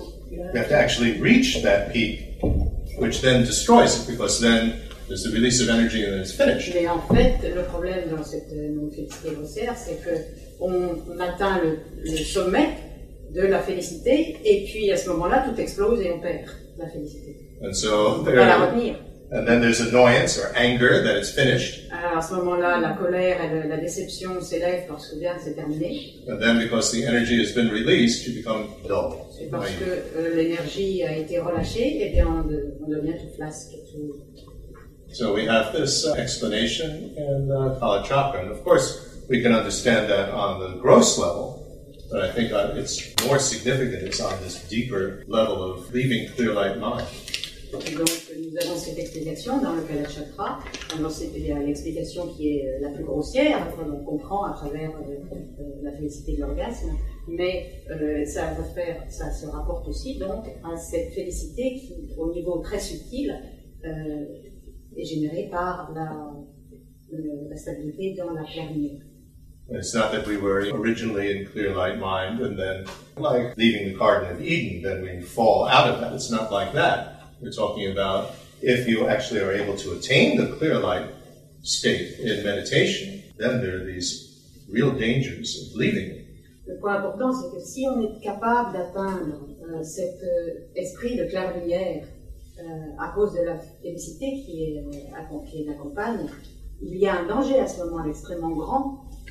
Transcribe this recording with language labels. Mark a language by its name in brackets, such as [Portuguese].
[English] You have to actually reach that peak, which then destroys it, because then there's the release of energy and then it's finished. [French] Mais en fait, le problème dans cette critique grossière, c'est que on atteint le sommet de la félicité, et puis à ce moment-là, tout explose et on perd la félicité. [English] And so, and then there's annoyance or anger that it's finished. [French] Alors à ce moment-là, la colère et la déception s'élèvent parce que bien c'est terminé. [English] And then, because the energy has been released, you become dull. [French] C'est parce que l'énergie a été relâchée, et bien on devient tout flasque, tout. [English] So we have this explanation in Kalachakra, and of course we can understand that on the gross level, but I think it's more significant it's on this deeper level of leaving clear light mind. [French] Donc nous avons cette explication dans le Kalachakra, alors c'est l'explication qui est la plus grossière, on comprend à travers la félicité de l'orgasme, mais ça se rapporte aussi donc à cette félicité qui, au niveau très subtil, est générée par la stabilité dans la clairière. [English] It's not that we were originally in clear light mind and then, like leaving the Garden of Eden, then we fall out of that. It's not like that. We're talking about if you actually are able to attain the clear light state in meditation, then there are these real dangers of leaving. [French] Le point important, c'est que si on est capable d'atteindre cet esprit de clair lumière à cause de la félicité qui l'accompagne, il y a un danger à ce moment extrêmement grand.